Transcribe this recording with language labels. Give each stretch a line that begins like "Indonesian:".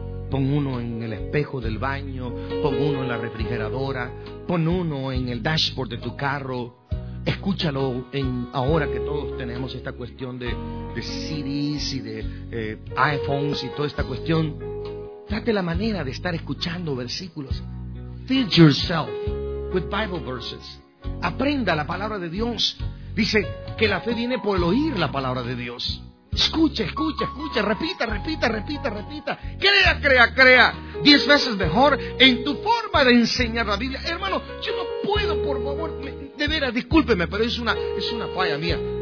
Spanish: Pon uno en el espejo del baño, pon uno en la refrigeradora, pon uno en el dashboard de tu carro, escúchalo en ahora que todos tenemos esta cuestión de CDs y de iPhones y toda esta cuestión. Date la manera de estar escuchando versículos.
English: Feed yourself with Bible verses.
Spanish: Aprenda la palabra de Dios. Dice que la fe viene por el oír la palabra de Dios. Escucha, escucha, escucha, repita, repita, repita, repita. Crea, crea, crea. 10 veces mejor en tu forma de enseñar la Biblia. Hermano, yo no puedo, por favor, de veras, discúlpeme, pero es una falla mía.